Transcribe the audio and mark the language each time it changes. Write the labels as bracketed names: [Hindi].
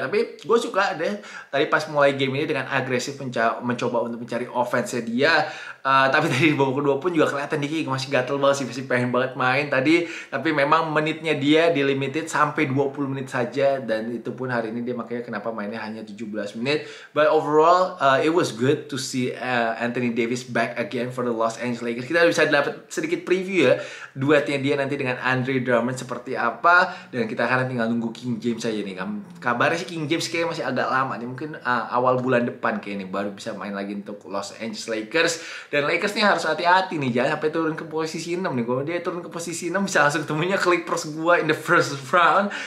[Indonesian] Tapi gue suka deh tadi pas mulai game ini dengan agresif mencoba untuk mencari offense-nya dia. Tapi tadi di babak kedua pun juga kelihatan Diki masih gatel banget sih, masih pengen banget main tadi. Tapi memang menitnya dia dilimited sampai 20 menit saja, dan itu pun hari ini dia makanya kenapa mainnya hanya 17 menit. [English] But overall it was good to see Anthony Davis back again for the Los Angeles Lakers. [Indonesian] Kita bisa dapat sedikit preview ya duetnya dia nanti dengan Andre Drummond seperti apa. Dan kita akan tinggal nunggu King James aja nih. Kabarnya sih King James kayaknya masih agak lama nih, mungkin awal bulan depan kayaknya baru bisa main lagi untuk Los Angeles Lakers. Dan Lakers nih harus hati-hati nih, jangan sampai turun ke posisi 6 nih. Kalau dia turun ke posisi 6 bisa langsung ketemunya Clippers gue in the first round.